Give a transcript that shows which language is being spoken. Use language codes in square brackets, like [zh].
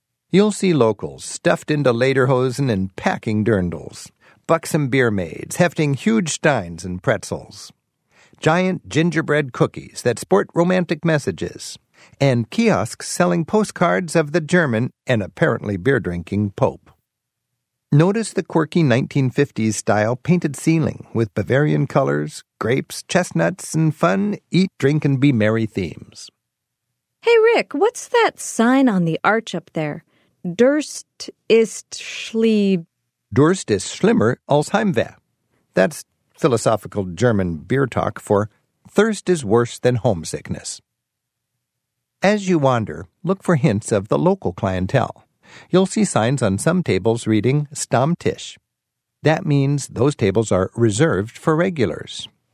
[en] You'll see locals stuffed into lederhosen and packing dirndls, buxom beer maids hefting huge steins and pretzels, giant gingerbread cookies that sport romantic messages, and kiosks selling postcards of the German and apparently beer-drinking Pope. Notice the quirky 1950s-style painted ceiling with Bavarian colors, grapes, chestnuts, and fun eat-drink-and-be-merry themes. Hey, Rick, what's that sign on the arch up there? [de] Durst ist schlieb. Durst ist schlimmer als Heimweh. [en] That's philosophical German beer talk for thirst is worse than homesickness. As you wander, look for hints of the local clientele. You'll see signs on some tables reading Stammtisch. That means those tables are reserved for regulars.